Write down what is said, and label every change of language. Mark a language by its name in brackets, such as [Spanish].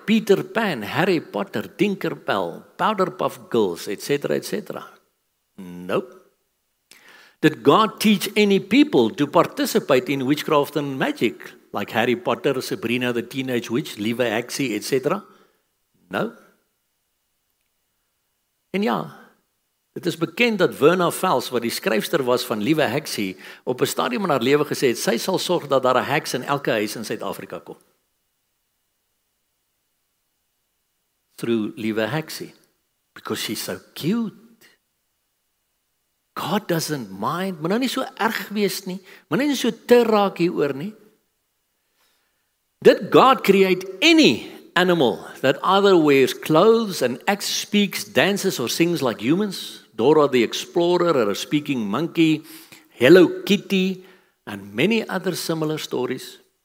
[English] Peter Pan, Harry Potter, Tinkerbell, Powderpuff Girls, etc., etc.? Nope. Did God teach any people to participate in witchcraft and magic, like Harry Potter, Sabrina the Teenage Witch, Levi Axie, etc.? Nope. And yeah. [Afrikaans] Dit is bekend dat Verna Vels, wat die skryfster was van Liewe Heksie, op 'n stadium in haar lewe gesê het, sy sal sorg dat daar 'n heks in elke huis in Suid-Afrika kom. [English] Through Liewe Heksie. Because she's so cute. God doesn't mind. [Afrikaans] Moet nou nie so erg wees nie. Moet nou nie so te raak hier oor nie. [English] Did God create any animal that either wears clothes and acts, speaks, dances, or sings like humans? Dora the Explorer, or a speaking monkey, Hello Kitty, and many other similar stories?